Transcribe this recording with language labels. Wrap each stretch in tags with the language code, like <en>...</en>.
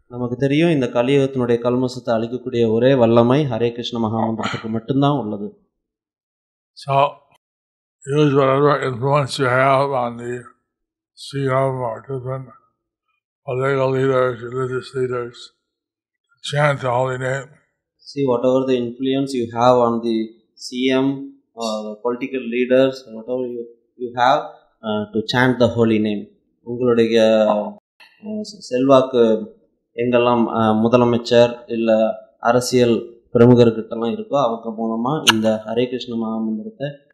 <ta>நமக்கு தெரியும், இந்த கலி யுகத்தினுடைய கல்மசத்தை அழிக்கக்கூடிய ஒரே வல்லமை ஹரே கிருஷ்ண மகாமந்திரத்துக்கு மட்டும்தான் உள்ளது.</ta> <en>Use whatever influence you have on the CM or different political leaders, religious leaders, to chant the holy name. See, whatever the influence you have on the CM or political leaders, whatever you have, to chant the holy name.</en> <ta>உங்களுடைய செல்வாக்கு எங்கெல்லாம் முதலமைச்சர் இல்லை அரசியல் பிரமுகர்கிட்டலாம் இருக்கோ அவங்க மூலமா இந்த ஹரே கிருஷ்ண மகாமந்திரத்தை.</ta>